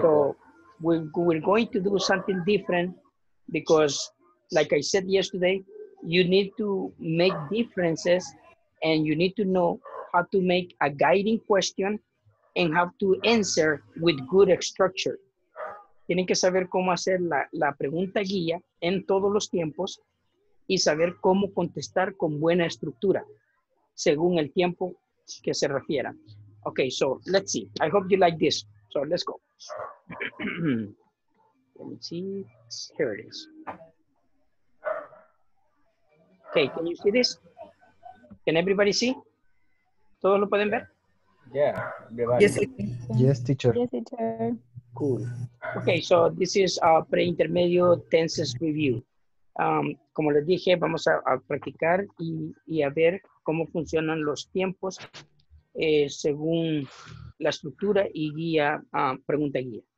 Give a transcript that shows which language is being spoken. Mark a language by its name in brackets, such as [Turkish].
[English] So we're going to do something different because, like I said yesterday, you need to make differences and you need to know how to make a guiding question and how to answer with good structure. [Spanish] Tienen que saber cómo hacer la pregunta guía en todos los tiempos y saber cómo contestar con buena estructura según el tiempo que se refiera. [English] Okay, so let's see. I hope you like this. So let's go. Let me see. Here it is. Okay, can you see this? Can everybody see? [Spanish] ¿Todos lo pueden ver? [English] Yeah. Yes, teacher. Cool. Okay, so this is a pre-intermedio tenses review. [Spanish] Como les dije, vamos a practicar y a ver cómo funcionan los tiempos según la estructura y guía, pregunta guía.